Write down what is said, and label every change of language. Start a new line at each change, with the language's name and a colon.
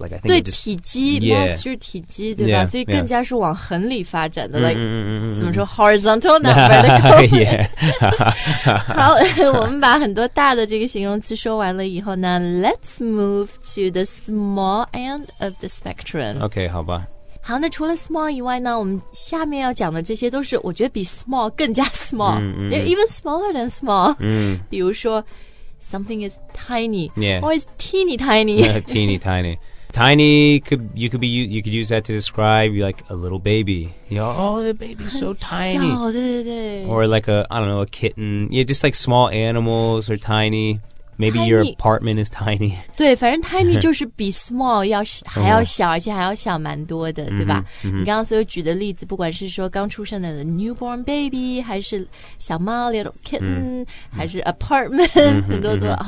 English: Like, I think
Chinese: 对
English: just,
Chinese: 体积、yeah. mass 就是体积对吧
English: yeah,
Chinese: 所以更加是往横里发展的
English: yeah. Like, mm-hmm.
Chinese: 怎么说
English: horizontal, not vertical. Yeah.
Chinese: 好我们把很多大的这个形容词说完了以后呢
English: Let's move to the small end of the spectrum.
Chinese: Okay, 好吧好那除了 small 以外呢我们下面要讲的这些都是我觉得比 small 更加 small
English: even smaller than small
Chinese: 比如说
English: something is tiny、 yeah. or is teeny tiny teeny tiny tiny you could use that to describe like a little baby you know, oh the baby's so tiny
Chinese: 小对对对
English: or like a I don't know a kitten yeah just like small animals are tinyMaybe tiny, your apartment is tiny.
Chinese: 对，反正 tiny 就是比 small 要还要小，而且还要小蛮多的，对吧？
English: Mm-hmm, mm-hmm.
Chinese: 你刚刚所有举的例子，不管是说刚出生的 newborn baby， 还是小猫 little kitten，、mm-hmm. 还是 apartment，、mm-hmm, 很多都、mm-hmm.